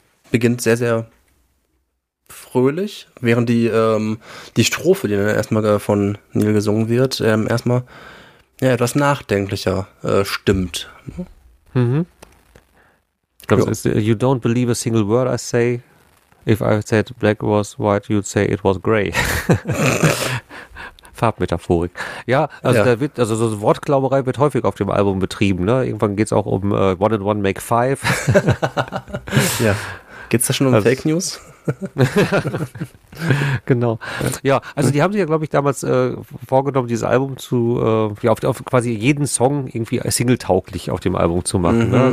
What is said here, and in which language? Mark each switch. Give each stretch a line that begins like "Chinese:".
German: Beginnt sehr, sehr fröhlich, während die, die Strophe, die dann erstmal von Neil gesungen wird, erstmal ja, etwas nachdenklicher stimmt.
English: Mhm.
German: Ich glaube,
English: so you don't believe a single word I say. If I said black was white, you'd say it was gray.
German: Farbmetaphorik. Ja, also ja. Da wird, also so Wortklauberei wird häufig auf dem Album betrieben. Ne? Irgendwann geht es auch um One and One Make Five. Ja. Geht es da schon um Fake News? Genau. Ja, also die haben sich ja, glaube ich, damals vorgenommen, dieses Album zu, ja, auf quasi jeden Song irgendwie singletauglich auf dem Album zu machen. Mhm. Ne?